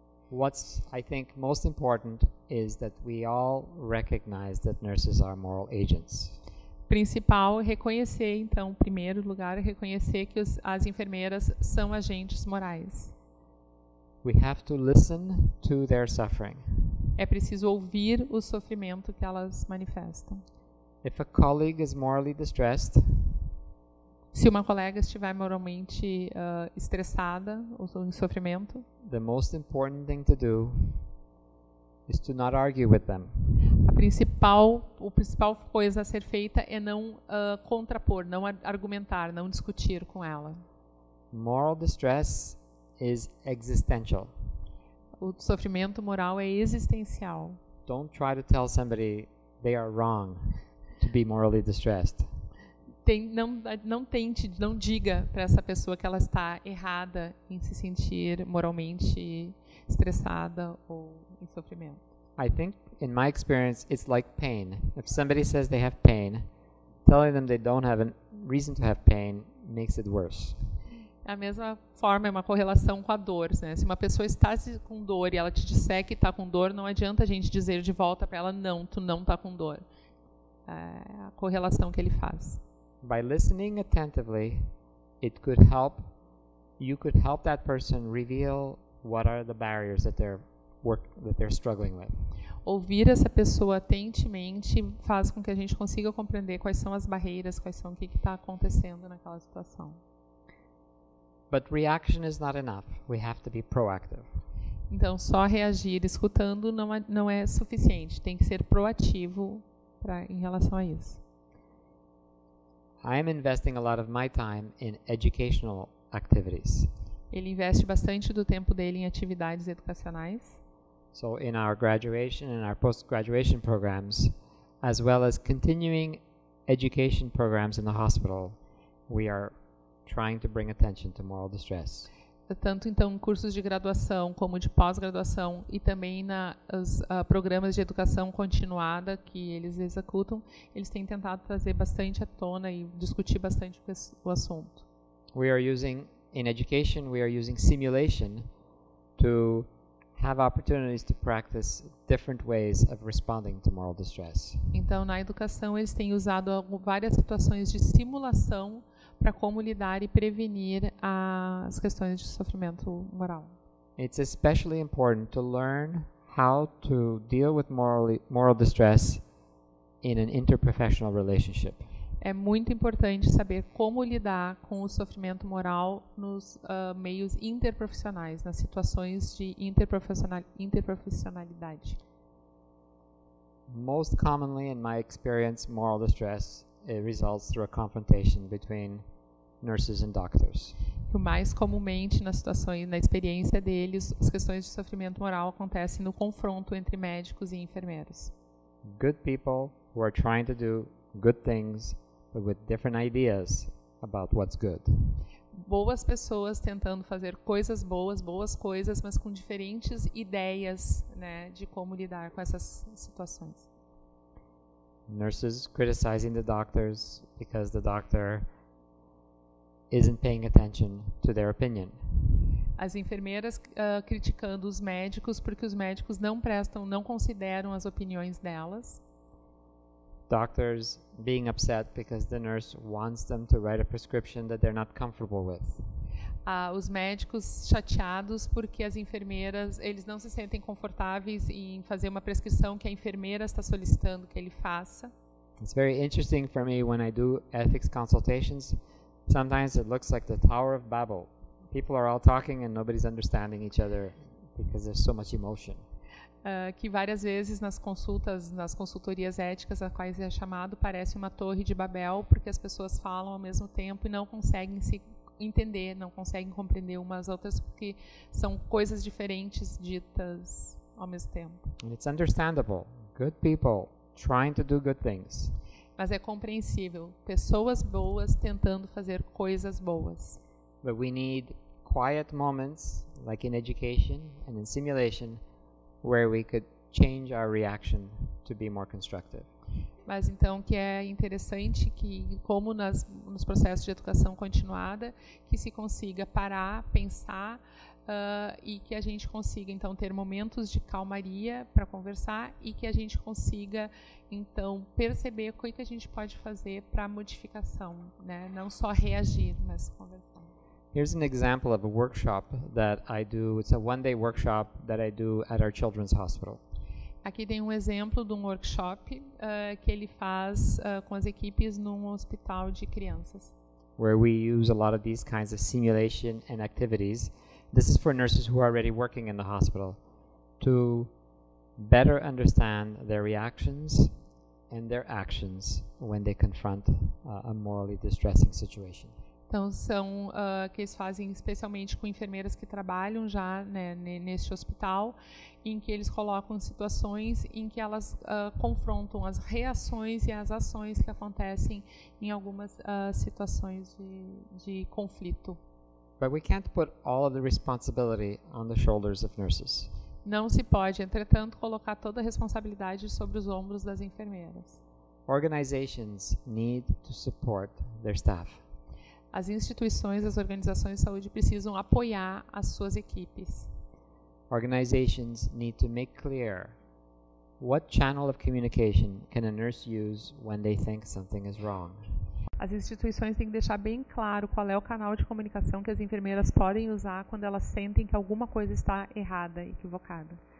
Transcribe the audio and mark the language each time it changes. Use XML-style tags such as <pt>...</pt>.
<en>What's, I think, most important is that we all recognize that nurses are moral agents.</en> <pt>Principal, reconhecer, então, em primeiro lugar, reconhecer que as enfermeiras são agentes morais.</pt> <en>We have to listen to their suffering.</en> <pt>É preciso ouvir o sofrimento que elas manifestam.</pt> <en>If a colleague is morally distressed,</en> <pt>se uma colega estiver moralmente estressada ou em sofrimento,</pt> <en>the most important thing to do is to not argue with them.</en> <pt>A principal coisa a ser feita é não contrapor, não argumentar, não discutir com ela.</pt> <en>Moral distress is existential.</en> <pt>O sofrimento moral é existencial.</pt> <en>Don't try to tell somebody they are wrong to be morally distressed.</en> <pt>Não diga para essa pessoa que ela está errada em se sentir moralmente estressada ou em sofrimento.</pt> <en>I think in my experience it's like pain. If somebody says they have pain, telling them they don't have a reason to have pain makes it worse.</en> <pt>a mesma forma, é uma correlação com a dor. Né? Se uma pessoa está com dor e ela te disser que está com dor, não adianta a gente dizer de volta para ela, não, tu não está com dor. É a correlação que ele faz.</pt> <en>By listening attentively, it could help, you could help that person reveal what are the barriers that they're work that they're struggling with.</en> <pt>Ouvir essa pessoa atentamente faz com que a gente consiga compreender quais são as barreiras, quais são o que está acontecendo naquela situação.</pt> <en>But reaction is not enough. We have to be proactive.</en> <pt>Então, só reagir escutando não é suficiente. Tem que ser proativo para em relação a isso.</pt> <en>I am investing a lot of my time in educational activities.</en> <pt>Ele investe bastante do tempo dele em atividades educacionais.</pt> <en>So in our graduation and our post-graduation programs, as well as continuing education programs in the hospital, we are trying to bring attention to moral distress.</en> <pt>Tanto então em cursos de graduação como de pós-graduação e também nos programas de educação continuada que eles executam, eles têm tentado trazer bastante à tona e discutir bastante o assunto.</pt> <en>We are using, in education, we are using simulation to have opportunities to practice different ways of responding to moral distress.</en> <pt>Então, na educação, eles têm usado várias situações de simulação para como lidar e prevenir as questões de sofrimento moral.</pt> <en>It's especially important to learn how to deal with moral distress in an interprofessional relationship.</en> <pt>É muito importante saber como lidar com o sofrimento moral nos meios interprofissionais, nas situações de interprofissionalidade.</pt> <en>Most commonly, in my experience, moral distress results through a confrontation between nurses and doctors.</en> <pt>O mais comumente nas situações, na experiência deles, as questões de sofrimento moral acontecem no confronto entre médicos e enfermeiros.</pt> <en>Good people who are trying to do good things with different ideas about what's good.</en> <pt>Boas pessoas tentando fazer coisas boas, boas coisas, mas com diferentes ideias, né, de como lidar com essas situações.</pt> <en>Nurses criticizing the doctors because the doctor isn't paying attention to their opinion.</en> <pt>As enfermeiras criticando os médicos porque os médicos não consideram as opiniões delas.</pt> <en>Doctors being upset because the nurse wants them to write a prescription that they're not comfortable with.</en> <pt>Os médicos chateados porque as enfermeiras, eles não se sentem confortáveis em fazer uma prescrição que a enfermeira está solicitando que ele faça.</pt> <en>It's very interesting for me when I do ethics consultations. Sometimes it looks like the Tower of Babel. People are all talking and nobody's understanding each other because there's so much emotion.</en> <pt>Que várias vezes nas consultorias éticas a quais é chamado, parece uma torre de Babel, porque as pessoas falam ao mesmo tempo e não conseguem se entender, não conseguem compreender umas outras, porque são coisas diferentes ditas ao mesmo tempo.</pt> <en>It's understandable. Good people trying to do good things.</en> <pt>Mas é compreensível. Pessoas boas tentando fazer coisas boas.</pt> <en>But we need quiet moments, like in education and in simulation, where we could change our reaction to be more constructive.</en> <pt>Mas então que é interessante que como nos processos de educação continuada que se consiga parar, pensar e que a gente consiga então ter momentos de calmaria para conversar e que a gente consiga então perceber o que a gente pode fazer para modificação, né? Não só reagir, mas conversar.</pt> <en>Here's an example of a workshop that I do. It's a one-day workshop that I do at our children's hospital.</en> <pt>Aqui tem um exemplo de um workshop que ele faz com as equipes num hospital de crianças.</pt> <en>Where we use a lot of these kinds of simulation and activities. This is for nurses who are already working in the hospital to better understand their reactions and their actions when they confront a morally distressing situation.</en> <pt>Então, são que eles fazem especialmente com enfermeiras que trabalham já, né, neste hospital, em que eles colocam situações em que elas confrontam as reações e as ações que acontecem em algumas situações de conflito.</pt> <en>But we can't put all of the responsibility on the shoulders of nurses.</en> <pt>Não se pode, entretanto, colocar toda a responsabilidade sobre os ombros das enfermeiras.</pt> <en>Organizations need to support their staff.</en> <pt>as instituições, as organizações de saúde precisam apoiar as suas equipes.</pt> <en>Organizations need to make clear what channel of communication can a nurse use when they think something is wrong.</en> <pt>As instituições têm que deixar bem claro qual é o canal de comunicação que as enfermeiras podem usar quando elas sentem que alguma coisa está errada, equivocada.</pt>